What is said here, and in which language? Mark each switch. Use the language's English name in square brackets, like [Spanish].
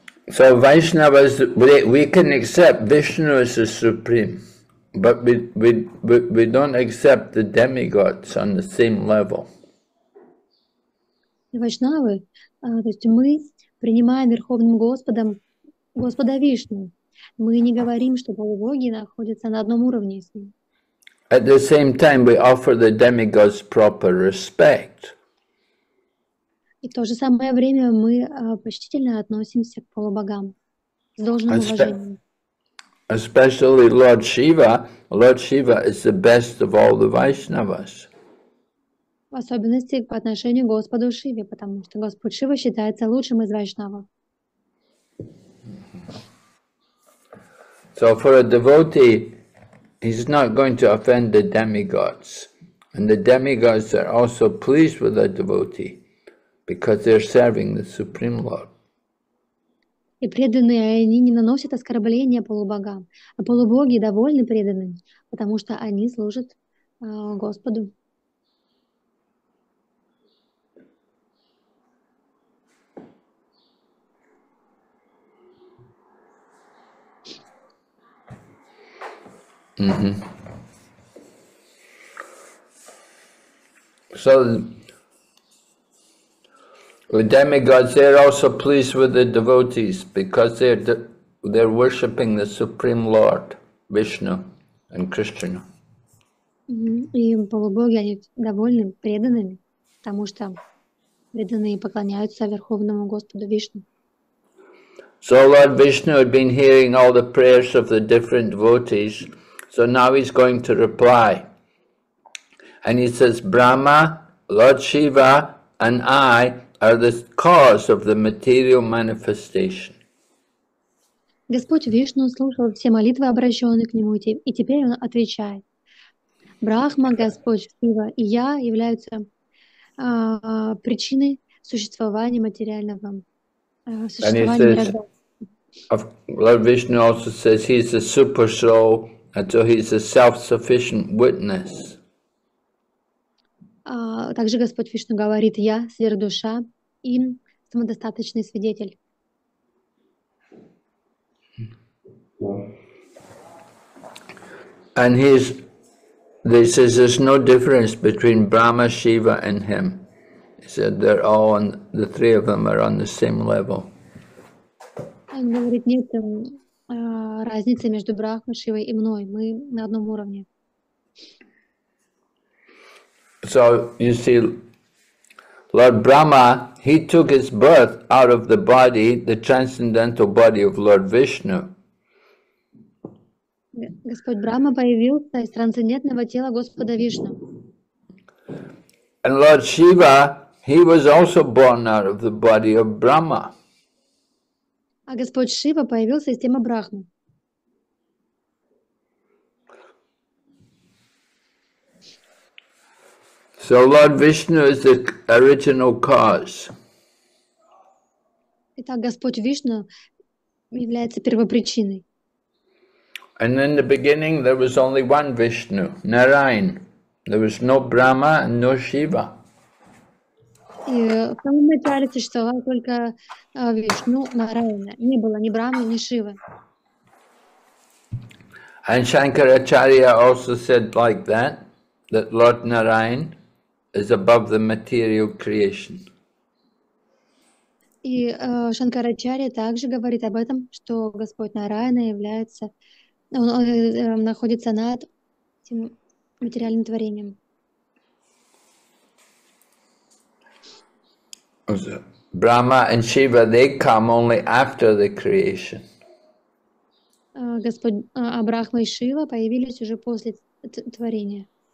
[English] So Vaishnavas, we can accept Vishnu as the supreme, but we don't accept the demigods on the same level. [Russian] Вайшнавы, то есть мы принимаем Верховным Господом Господа Вишну. Мы не говорим, что полубоги находятся на одном уровне с ним. [English] At the same time, we offer the demigods proper respect. [Russian] И в то же самое время мы почтительно относимся к полубогам с должным уважением. [English] Especially Lord Shiva. Lord Shiva is the best of all the Vaishnavas. [Russian] В особенности по отношению к Господу Шиве, потому что Господь Шива считается лучшим из вайшнавов. [English] So for a devotee, he's not going to offend the demigods. And the demigods are also pleased with a devotee, because they're serving the Supreme Lord. [Russian] И преданные, они не наносят оскорбления полубогам, а полубоги довольны преданными, потому что они служат Господу. [English] The demigods, they're also pleased with the devotees because they're worshipping the Supreme Lord, Vishnu and Krishna. [Russian] И полубоги, они довольны преданными, потому что преданные поклоняются Верховному Господу Вишну. [English] So Lord Vishnu had been hearing all the prayers of the different devotees, so now he's going to reply. And he says, Brahma, Lord Shiva and I are the cause of the material manifestation. [Russian] Господь Вишну слушал все молитвы, обращенные к нему, и теперь он отвечает. Брахма, Господь Шива и я являются причиной существования материального мира. [English] Lord Vishnu also says he's a super soul, and so he's a self-sufficient witness. [Russian] Также Господь Вишну говорит, я сверхдуша, им самодостаточный свидетель. [English] And he's, they say, there's no difference between Brahma, Shiva and him. He said they're all on, the three of them are on the same level. [Russian] Он говорит, нет разницы между Брахмой, Шивой и мной. Мы на одном уровне. [English] So you see, Lord Brahma, he took his birth out of the body, the transcendental body of Lord Vishnu. [Russian] Господь Брахма появился из трансцендентного тела Господа Вишну. [English] And Lord Shiva, he was also born out of the body of Brahma. [Russian] А Господь Шива появился из тела Брахмы. [English] So Lord Vishnu is the original cause. [Russian] Итак, Господь Вишну является первопричиной. [English] And in the beginning there was only one Vishnu, Narayan. There was no Brahma and no Shiva. [Russian] И в самом начале существовал только Вишну, Нараяна. Не было ни Брахмы, ни Шивы. [English] And Shankaracharya also said like that, that Lord Narayan is above the material creation. [Russian] И Шанкарачарья также говорит об этом, что Господь Нараяна является, он находится над этим материальным творением. [English] Brahma and Shiva, they come only after the creation. [Russian] Господь Брахма и Шива появились уже после творения.